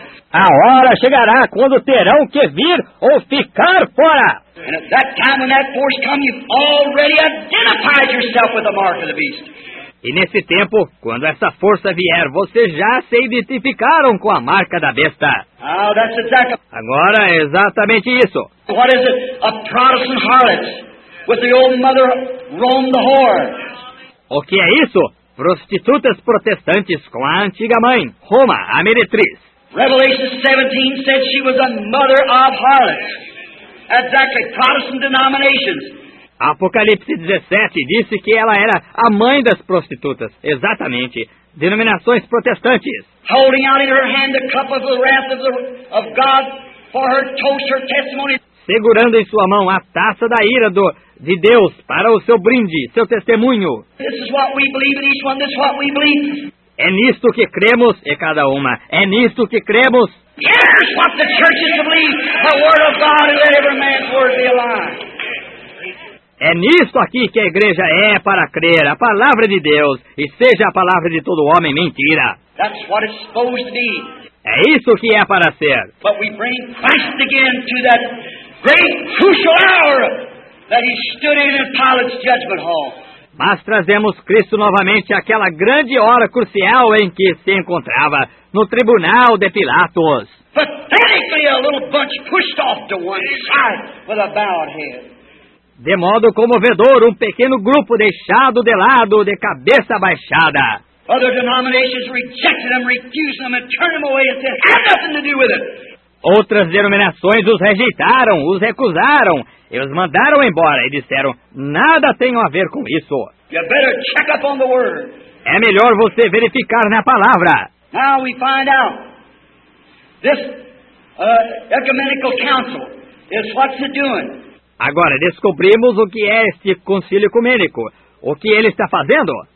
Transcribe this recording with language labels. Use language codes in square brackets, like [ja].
[pt] A hora chegará quando terão que vir ou ficar fora. [en] And at that time when that force comes, you've already identified yourself with the mark of the beast. [pt] E nesse tempo, quando essa força vier, vocês já se identificaram com a marca da besta. [en] Oh, that's exactly. [pt] Agora é exatamente isso. [en] What is it? A Protestant harlot with the old mother Rome the whore. [pt] O que é isso? Prostitutas protestantes com a antiga mãe, Roma, a meretriz. [en] Revelation 17 said she was a mother of harlots. Exactly, Protestant denominations. [pt] Apocalipse 17 disse que ela era a mãe das prostitutas. Exatamente, denominações protestantes. [en] Holding out in her hand the cup of the wrath of God for her toast, her testimony. [pt] Segurando em sua mão a taça da ira de Deus para o seu brinde, seu testemunho. [en] This is what we believe in each one, this is what we believe. [pt] É nisto que cremos, e cada uma, é nisto que cremos. [en] Here's what the church is to believe, the word of God, and let every man's word be alive. [pt] É nisto aqui que a igreja é para crer, a palavra de Deus, e seja a palavra de todo homem mentira. [en] That's what it's supposed to be. [pt] É isso que é para ser. [en] But we bring Christ again to that great crucial hour that he stood in Pilate's judgment hall. [pt] Mas trazemos Cristo novamente àquela grande hora crucial em que se encontrava no tribunal de Pilatos. [en] Pathetically, a little bunch pushed off to one side with a bowed head. [pt] De modo comovedor, um pequeno grupo deixado de lado, de cabeça baixada. [en] Other denominations rejected them, refused them, and turned them away and said, "Have nothing to do with it." [pt] Outras denominações os rejeitaram, os recusaram. Eles mandaram embora e disseram, nada tem a ver com isso. [en] You better check up on the word. [pt] É melhor você verificar na palavra. [en] Now we find out. This ecumenical council is what's it doing. [pt] Agora descobrimos o que é este concílio ecumênico. O que ele está fazendo?